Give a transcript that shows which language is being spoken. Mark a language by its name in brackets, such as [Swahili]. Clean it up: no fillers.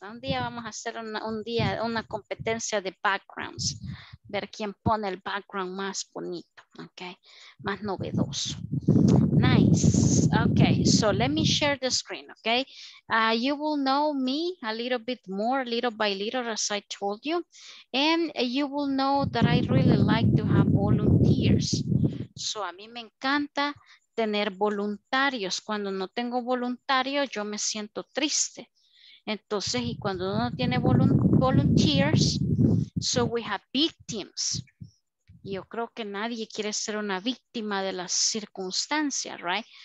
[Spanish] Un día vamos a hacer una competencia de backgrounds, ver quién pone el background más bonito, okay, más novedoso. [English] Nice, okay, so let me share the screen, okay. You will know me a little bit more, little by little, as I told you, and you will know that I really like to have volunteers. [Spanish] So a mí me encanta tener voluntarios. Cuando no tengo voluntarios, yo me siento triste. Entonces, y cuando uno tiene volunteers, [English] so we have victims. [Spanish] Yo creo que nadie quiere ser una víctima de las circunstancias, right?